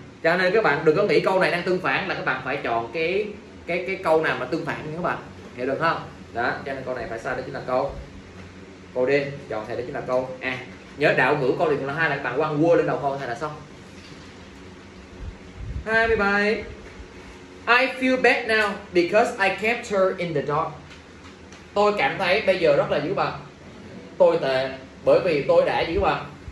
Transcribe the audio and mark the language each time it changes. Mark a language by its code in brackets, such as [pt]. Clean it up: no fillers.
[vi] Cho nên các bạn đừng có nghĩ câu này đang tương phản, là các bạn phải chọn cái câu nào mà tương phản nha các bạn. Hiểu được không? Đó, cho nên câu này phải sai, đó chính là câu câu D, chọn thầy đó chính là câu A. Nhớ đạo ngữ câu điều kiện là 2 là các bạn quăng word lên đầu câu thầy là xong. 27. [en] I feel bad now because I kept her in the dark. [vi] Tôi cảm thấy bây giờ rất là dữ bạn. Tôi tệ bởi vì tôi đã dữ bạn.